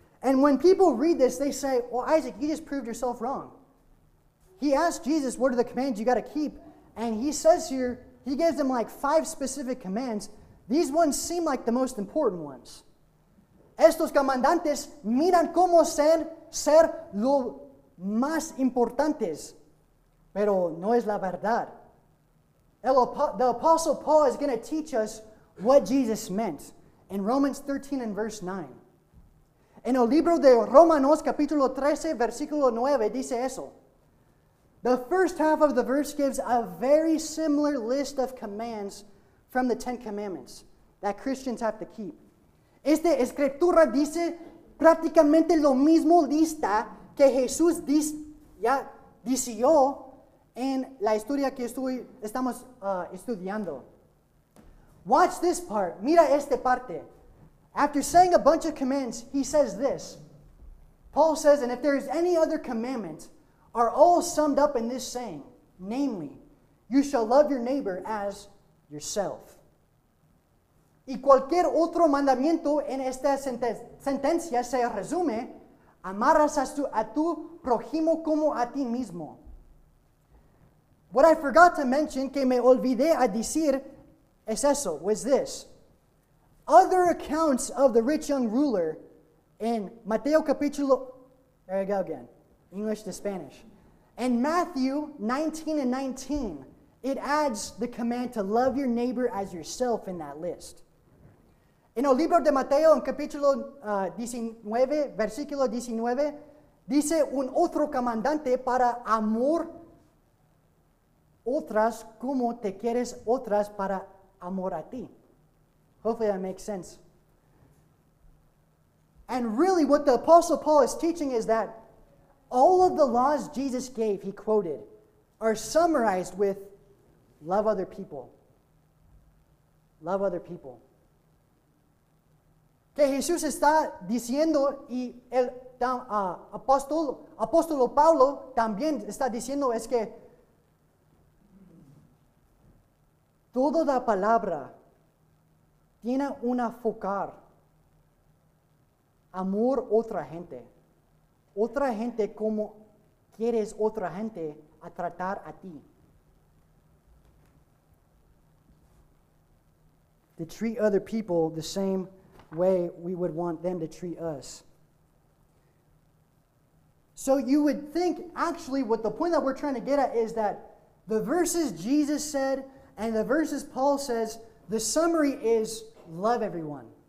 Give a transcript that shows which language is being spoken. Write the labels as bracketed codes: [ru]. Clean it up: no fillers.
[en] And when people read this, they say, well, Isaac, you just proved yourself wrong. He asked Jesus, what are the commands you got to keep? And he says here, he gives them like five specific commands. These ones seem like the most important ones. [es] Estos comandantes miran como ser lo más importantes. Pero no es la verdad. [en] The Apostle Paul is going to teach us what Jesus meant in Romans 13 and verse 9. [es] En el libro de Romanos, capítulo 13, versículo 9, dice eso. [en] The first half of the verse gives a very similar list of commands from the Ten Commandments that Christians have to keep. [es] Esta escritura dice prácticamente lo mismo lista que Jesús decidió en la historia que estamos estudiando. [en] Watch this part. [es] Mira esta parte. [en] After saying a bunch of commands, he says this. Paul says, and if there is any other commandment, are all summed up in this saying, namely, you shall love your neighbor as yourself. [es] Y cualquier otro mandamiento en esta sentencia se resume, amarás a tu prójimo como a ti mismo. [en] What I forgot to mention, [es] que me olvidé a decir, es eso, [en] was this. Other accounts of the rich young ruler in [es] Mateo capítulo, [en] there you go again, English to Spanish. In Matthew 19 and 19, it adds the command to love your neighbor as yourself in that list. [es] En el libro de Mateo, en capítulo 19, versículo 19, dice un otro comandante para amor otras como te quieres otras para amor a ti. [en] Hopefully that makes sense. And really what the Apostle Paul is teaching is that all of the laws Jesus gave, he quoted, are summarized with love other people. Love other people. [es] Que Jesús está diciendo y el apóstol Pablo también está diciendo es que toda la palabra tiene un enfocar amor otra gente. Otra gente como quieres otra gente a tratar a ti. [en] To treat other people the same way we would want them to treat us. So you would think, actually, what the point that we're trying to get at is that the verses Jesus said and the verses Paul says, the summary is love everyone.